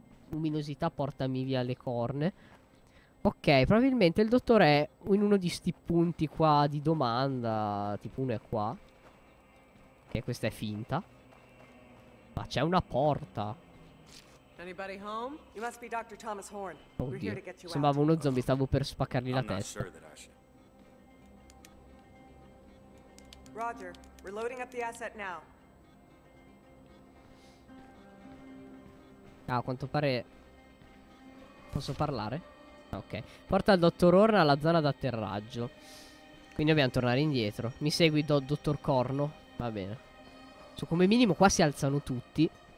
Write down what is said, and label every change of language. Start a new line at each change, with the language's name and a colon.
Italian: Luminosità portami via le corna. Ok, probabilmente il dottore è in uno di sti punti qua di domanda. Tipo uno è qua. E questa è finta. Ma c'è una porta.
English: Anybody home? You must be Dr. Thomas Horn.
Italian: Oddio, sembrava uno zombie, stavo per spaccargli la testa.
English: Roger, reloading up the asset now.
Italian: Ah, a quanto pare posso parlare? Ok, porta il dottor Horn alla zona d'atterraggio. Quindi dobbiamo tornare indietro. Mi segui, dottor Corno? Va bene. So, come minimo qua si alzano tutti.